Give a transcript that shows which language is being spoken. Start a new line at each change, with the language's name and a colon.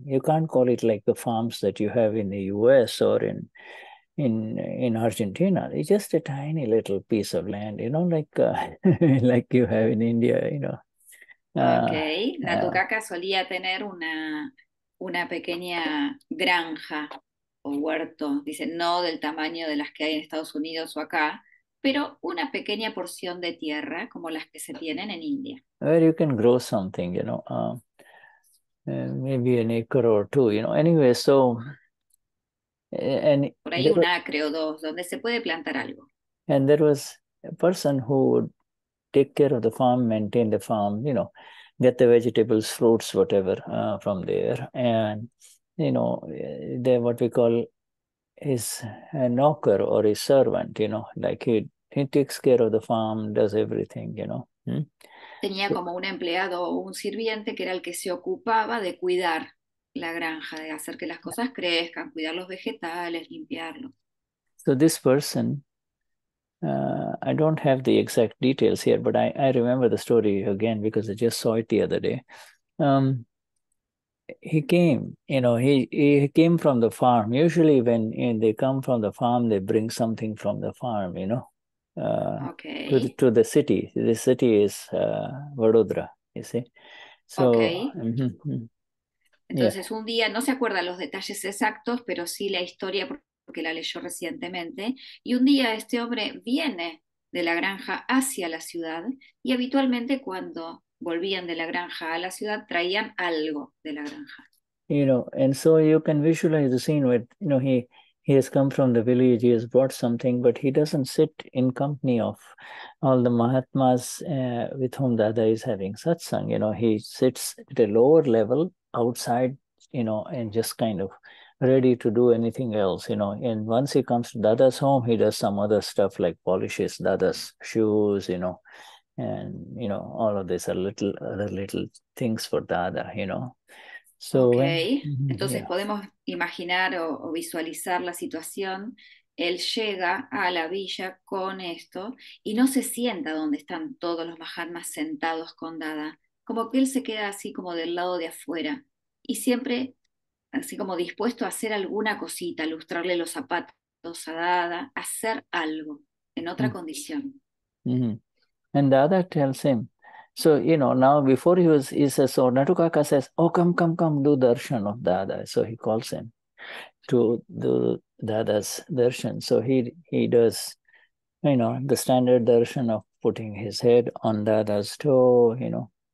English: You can't call it like the farms that you have in the US or in Argentina. It's just a tiny little piece of land, you know, like like you have in India, you know.
Spanish: Okay, Natukaka solía tener una pequeña granja o huerto, dice, no del tamaño de las que hay en Estados Unidos o acá, pero una pequeña porción de tierra como las que se tienen en India.
English: Where you can grow something, you know, maybe an acre or two, you know. Anyway, so and
Spanish: por ahí un acre o dos donde se puede plantar algo.
English: And there was a person who would take care of the farm, maintain the farm, you know, get the vegetables, fruits, whatever, from there. And, you know, they're what we call is a knocker or a servant, you know, like he takes care of the farm, does everything, you know.
Spanish: Tenía como un empleado o un sirviente que era el que se ocupaba de cuidar la granja, de hacer que las cosas crezcan, cuidar los vegetales, limpiarlos.
English: So this person, I don't have the exact details here, but I remember the story again because I just saw it the other day. He came, you know, he came from the farm. Usually when they come from the farm, they bring something from the farm, you know, to the city. The city is Vadodara, you see. So, okay.
Spanish: Entonces, un día, no se acuerda los detalles exactos, pero sí la historia porque la leyó recientemente, y un día este hombre viene de la granja hacia la ciudad, y habitualmente cuando volvían de la granja a la ciudad, traían algo de la granja.
English: You know, and so you can visualize the scene where, you know, he has come from the village, he has brought something, but he doesn't sit in company of all the Mahatmas with whom Dada is having satsang. You know, he sits at a lower level outside, you know, and just kind of ready to do anything else, you know. And once he comes to Dada's home, he does some other stuff like polishes Dada's shoes, you know, and you know, all of these are little other little things for Dada, you know. So
Spanish: entonces podemos imaginar o visualizar la situación. Él llega a la villa con esto y no se sienta donde están todos los Mahatmas sentados con Dada, como que él se queda así como del lado de afuera y siempre así como dispuesto a hacer alguna cosita, lustrarle los zapatos a Dada, hacer algo en otra condición.
English: And Dada tells him, so, you know, now before he says, so Natukaka says, oh, come, do darshan of Dada. So he calls him to do Dada's darshan. So he does, you know, the standard darshan of putting his head on Dada's toe, you know.